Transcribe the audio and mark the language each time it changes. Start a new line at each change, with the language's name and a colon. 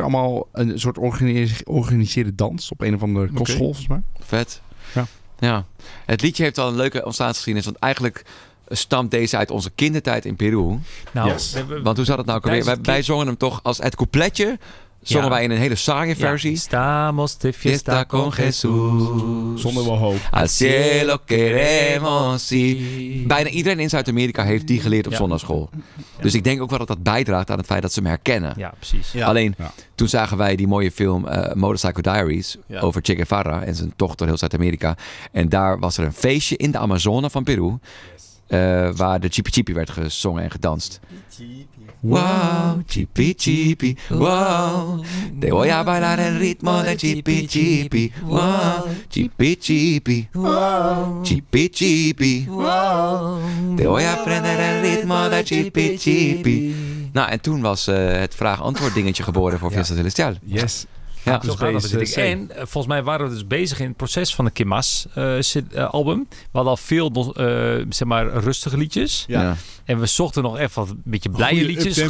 Dutch: Allemaal een soort georganiseerde dans op een of andere kostschool, volgens mij. Vet. Ja. Ja. Het liedje heeft al een leuke ontstaansgeschiedenis. Want eigenlijk stamt deze uit onze kindertijd in Peru. Want hoe zat het nou? Wij zongen hem toch als het coupletje. Zongen wij in een hele saaie versie.
Spanish: Estamos de fiesta con Jesús.
Dutch: Zonder wel hoop.
Spanish: Al cielo queremos ir.
Dutch: Bijna iedereen in Zuid-Amerika heeft die geleerd op zondagsschool. Dus ik denk ook wel dat dat bijdraagt aan het feit dat ze hem herkennen. Ja, precies. Ja. Alleen, toen zagen wij die mooie film Motorcycle Diaries over Che Guevara en zijn tocht door heel Zuid-Amerika. En daar was er een feestje in de Amazone van Peru. Waar de Chipi Chipi werd gezongen en gedanst. Wow, Chipi Chipi, wow.
Spanish: Te voy a bailar el ritmo de Chipi Chipi. Wow, Chipi Chipi, wow. Chipi Chipi, wow. Te voy a aprender el ritmo de Chipi Chipi.
Dutch: Nou, en toen was het vraag-antwoord dingetje geboren voor Fiesta Celestial.
English: Yes.
Dutch: Ja, dus en volgens mij waren we dus bezig in het proces van de Kimas album. We hadden al veel rustige liedjes. Ja. En we zochten nog even wat een beetje blije liedjes.